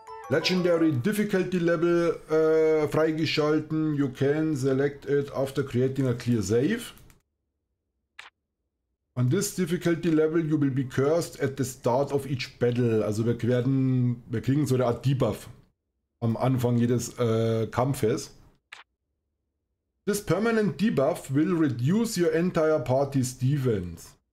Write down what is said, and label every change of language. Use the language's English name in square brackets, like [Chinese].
[German] Legendary Difficulty Level freigeschalten. [English] You can select it after creating a clear save. On this difficulty level you will be cursed at the start of each battle. [German] Also wir kriegen so eine Art Debuff am Anfang jedes Kampfes. [English] This permanent Debuff will reduce your entire party's defense.